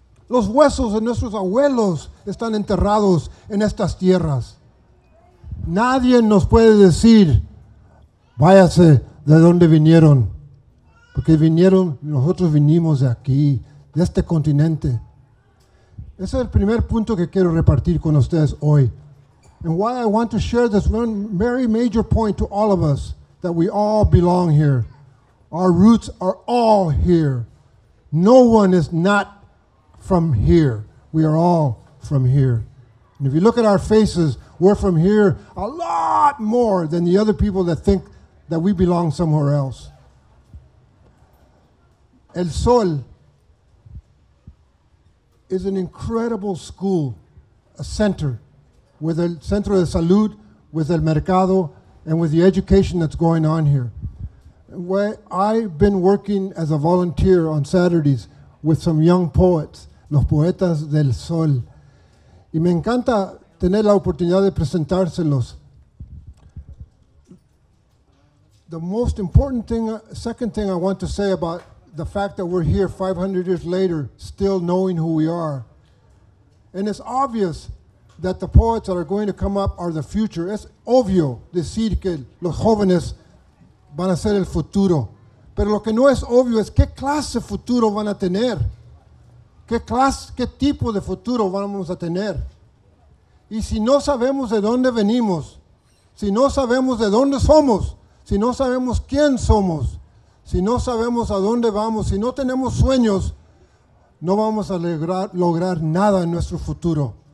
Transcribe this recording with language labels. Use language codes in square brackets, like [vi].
[es] Los huesos de nuestros abuelos están enterrados en estas tierras. Nadie nos puede decir, váyase de donde vinieron. Porque vinieron, nosotros vinimos de aquí, de este continente. Ese es el primer punto que quiero repartir con ustedes hoy. [en] And why I want to share this one very major point to all of us, that we all belong here. Our roots are all here. No one is not from here. We are all from here. And if you look at our faces, we're from here a lot more than the other people that think that we belong somewhere else. El Sol is an incredible school, a center, with [es] el centro de salud, [en] with [es] el mercado, [en] and with the education that's going on here. Where I've been working as a volunteer on Saturdays with some young poets, los poetas del Sol. [es] Y me encanta tener la oportunidad de presentárselos. [en] The most important thing, second thing I want to say about the fact that we're here 500 years later, still knowing who we are. And it's obvious that the poets that are going to come up are the future. [es] Es obvio decir que los jóvenes van a ser el futuro. Pero lo que no es obvio es qué clase de futuro van a tener. Qué tipo de futuro vamos a tener. Y si no sabemos de dónde venimos, si no sabemos de dónde somos, si no sabemos quién somos, si no sabemos a dónde vamos, si no tenemos sueños, no vamos a lograr nada en nuestro futuro.